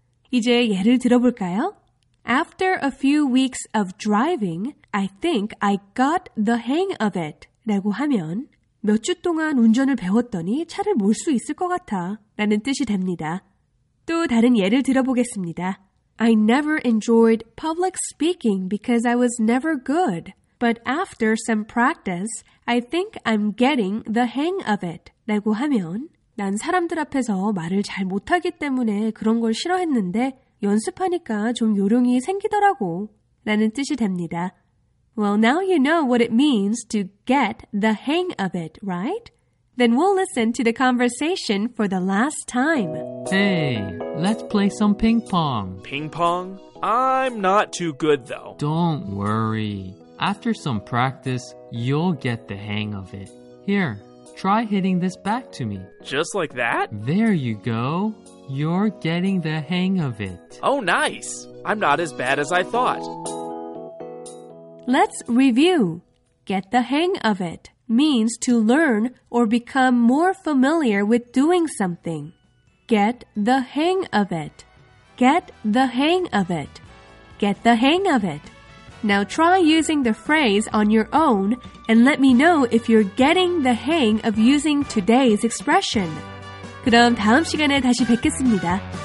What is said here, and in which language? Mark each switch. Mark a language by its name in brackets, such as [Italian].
[Korean] 이제 예를 들어볼까요? [English] After a few weeks of driving, I think I got the hang of it [Korean] 라고 하면 몇 주 동안 운전을 배웠더니 차를 몰 수 있을 것 같아 라는 뜻이 됩니다. 또 다른 예를 들어보겠습니다. [English] I never enjoyed public speaking because I was never good. But after some practice, I think I'm getting the hang of it. [Korean] 라고 하면 난 사람들 앞에서 말을 잘 못하기 때문에 그런 걸 싫어했는데 연습하니까 좀 요령이 생기더라고 라는 뜻이 됩니다. [English] Well, now you know what it means to get the hang of it, right? Then we'll listen to the conversation for the last time. Hey, let's play some ping pong. Ping pong? I'm not too good, though. Don't worry. After some practice, you'll get the hang of it. Here, try hitting this back to me. Just like that? There you go. You're getting the hang of it. Oh, nice. I'm not as bad as I thought. Let's review. Get the hang of it. Means to learn or become more familiar with doing something. Get the hang of it. Get the hang of it. Get the hang of it. Now try using the phrase on your own and let me know if you're getting the hang of using today's expression. [Korean] 그럼 다음 시간에 다시 뵙겠습니다.